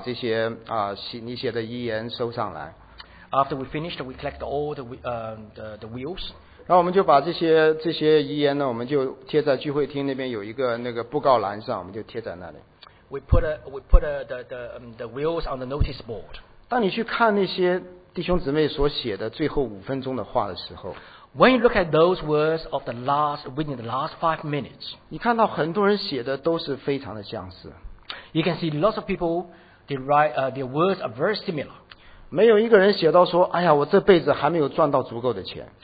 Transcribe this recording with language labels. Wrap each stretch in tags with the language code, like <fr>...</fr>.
<zh>那最后完了以后，我们就要求这些弟兄姊妹把这些你写的遗言收上来。</zh> <en>After we finished, we collect all the wills.</en> <zh>然后我们就把这些遗言呢，我们就贴在聚会厅那边有一个那个布告栏上，我们就贴在那里。</zh> <en>We put the wills on the notice board.</en> <zh>当你去看那些弟兄姊妹所写的最后五分钟的话的时候。</zh> <en>When you look at those words of the last within the last 5 minutes,</en> <zh>你看到很多人写的都是非常的相似。</zh> <en>You can see lots of people they write their words are very similar.</en> <zh>没有一个人写到说，哎呀，我这辈子还没有赚到足够的钱。</zh>